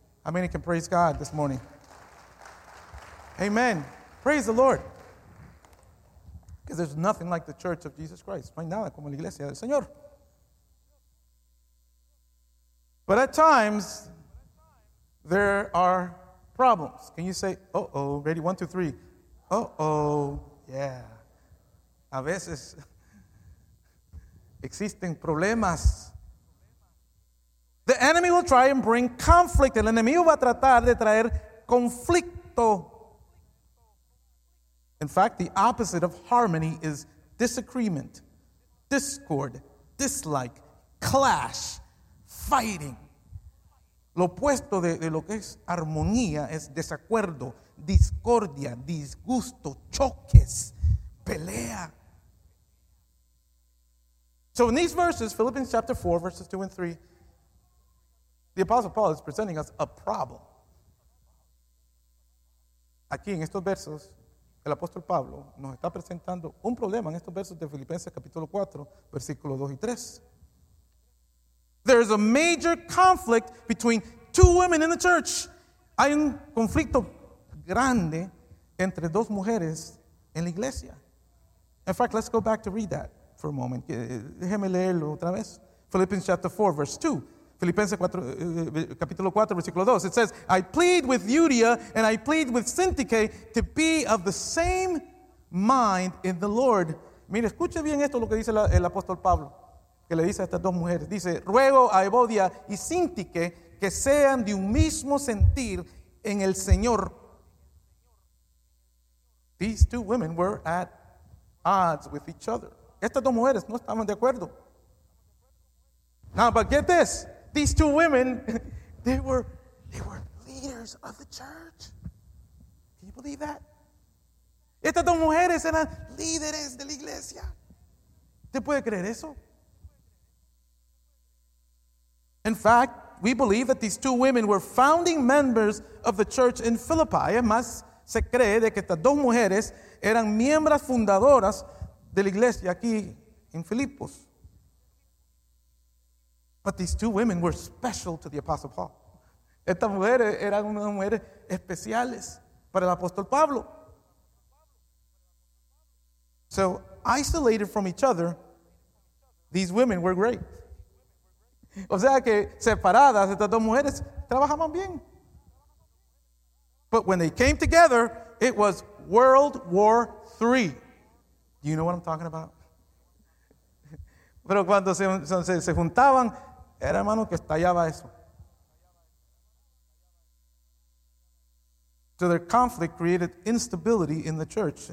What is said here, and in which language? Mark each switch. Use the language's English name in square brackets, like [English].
[English] How many can praise God this morning? Amen. Praise the Lord. Because there's nothing like the Church of Jesus Christ. [Spanish] No hay nada como la iglesia del Señor. [English] But at times, there are problems. Can you say, uh-oh, ready, 1, 2, 3. Uh-oh, yeah. [Spanish] A veces existen problemas. [English] The enemy will try and bring conflict. [Spanish] El enemigo va a tratar de traer conflicto. [English] In fact, the opposite of harmony is disagreement, discord, dislike, clash, fighting. [Spanish] Lo opuesto de lo que es armonía es desacuerdo, discordia, disgusto, choques, pelea. [English] So in these verses, Philippians chapter 4, verses 2 and 3, the Apostle Paul is presenting us a problem. [Spanish] Aquí en estos versos, el apóstol Pablo nos está presentando un problema en estos versos de Filipenses capítulo 4, versículos 2 y 3. [English] There is a major conflict between two women in the church. [Spanish] Hay un conflicto grande entre dos mujeres en la iglesia. [English] In fact, let's go back to read that for a moment. [Spanish] Déjeme leerlo otra vez. [English] Philippians chapter 4, verse 2. [Spanish] Filipenses capítulo 4, versículo 2. [English] It says, I plead with Eudia and I plead with Syntyche to be of the same mind in the Lord. [Spanish] Mire, escuche bien esto lo que dice el apóstol Pablo, que le dice a estas dos mujeres. Dice, ruego a Eudia y Syntyche que sean de un mismo sentir en el Señor. [English] These two women were at odds with each other. [Spanish] Estas dos mujeres no estaban de acuerdo. [English] Now, but get this. These two women, they were leaders of the church. Can you believe that? [Spanish] Estas dos mujeres eran líderes de la iglesia. ¿Te puede creer eso? [English] In fact, we believe that these two women were founding members of the church in Philippi. [Spanish] Además, se cree de que estas dos mujeres eran miembros fundadoras de la iglesia aquí en Filipos. [English] But these two women were special to the Apostle Paul. [Spanish] Estas mujeres eran unas mujeres especiales para el apóstol Pablo. [English] So, isolated from each other, these women were great. [Spanish] O sea que separadas, estas dos mujeres trabajaban bien. [English] But when they came together, it was World War III. Do you know what I'm talking about? [Spanish] Pero cuando se juntaban, era hermano que estallaba eso. [English] So their conflict created instability in the church.